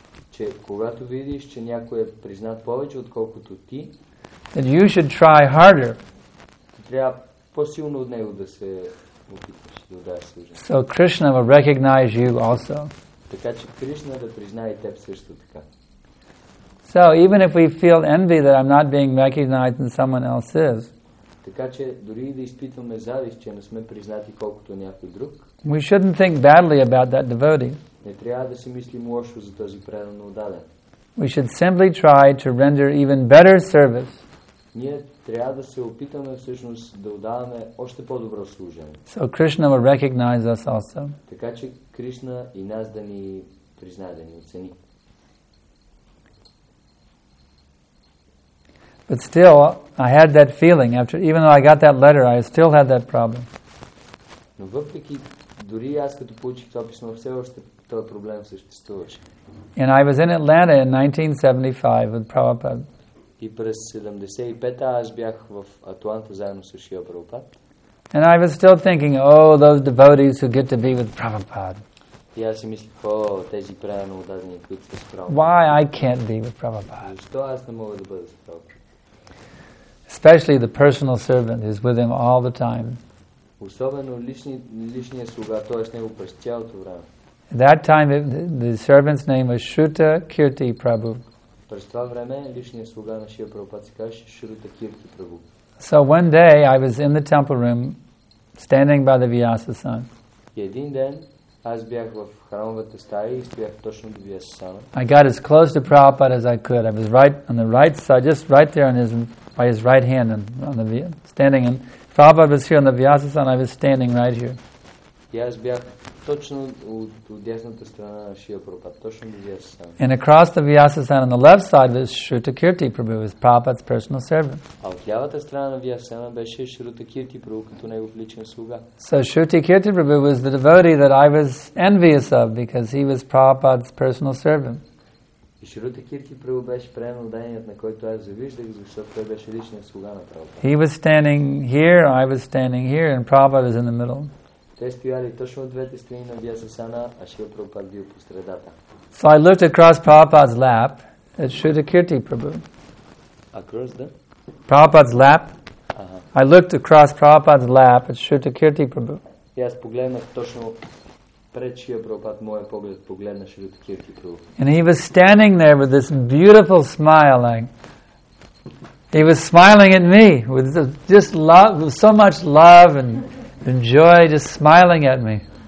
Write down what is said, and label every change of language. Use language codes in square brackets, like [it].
[bg] че когато видиш, че някой е признат повече, отколкото ти, [en] that you should try harder. [bg] Ти трябва по-силно от него да се опиташ, да удаеш служение. [en] So Krishna will recognize you also. [bg] Така че Кришна да признае теб също така. [en] So even if we feel envy that I'm not being recognized and someone else is, [bg] така че дори да изпитваме завист, че не сме признати колкото някой друг, [en] we shouldn't think badly about that devotee. [bg] Не трябва да си мислим лошо за този преданно отдаден. [en] We should simply try to render even better service. [bg] Ние трябва да се опитаме всъщност да отдаваме още по-добро служение. [en] So Krishna will recognize us also. [bg] Така че Кришна и нас да ни признае, да ни оцени. [en] But still, I had that feeling after, even though I got that letter, I still had that problem. [bg] Но въпреки, дори аз като получих това писмо, все още този проблем съществуваше. [en] And I was in Atlanta in 1975 with Prabhupada. [bg] И през 75-та аз бях в Атланта заедно с Шрила Прабхупад. [en] And I was still thinking, oh, those devotees who get to be with Prabhupada. [bg] И аз си мислих, о, тези преданно отдадени, които са с Прабхупада. [en] Why I can't be with Prabhupada? [bg] Защо аз не мога да бъда с Прабхупада? [en] Especially the personal servant who is with him all the time. [bg] Особено личният слуга, той е с него през цялото време. [en] At that time, the servant's name was Shruta Kirti Prabhu. [bg] През това време личният слуга на Шрила Прабхупада се казваше Шрута Кирти Прабху. [en] So one day I was in the temple room standing by the Vyasasan. [bg] И един ден аз бях в храмовата стая и стоях точно до Vyasasana. [en] I got as close to Prabhupada as I could. I was right on the right side, just right there on his by his right hand and on the standing, and Prabhupada was here on the Vyasasana, I was standing right here. [bg] И аз бях точно от дясната страна на Шрила Прабхупада, точно до Vyasasana. [en] And across the Vyasasana on the left side was Shruta Kirti Prabhu, his Prabhupada's personal servant. [bg] А от лявата страна на Vyasasana беше Shruta Kirti Prabhu, като негов личен слуга. [en] So Shruta Kirti Prabhu was the devotee that I was envious of because he was Prabhupada's personal servant. [bg] Шрута Кирти Прабху беше преданият, на който аз завиждах, защото той беше личният слуга на Прабхупада. [en] He was standing here, I was standing here, and Prabhupada was in the middle. [bg] Те стояли точно от двете страни на Vyasasana, а Шрила Прабхупада бил по средата. [en] So I looked across Prabhupada's lap at Shruta Kirti Prabhu. Across the? Prabhupada's lap. Uh-huh. I looked across Prabhupada's lap at Shruta Kirti Prabhu. [bg] И аз погледнах точно пред Шрила Прабхупада, моят поглед погледна Шрута Кирти Прабху. [en] And he was standing there with this beautiful smile, like he was smiling at me with just love, with so much love and joy, just smiling at me.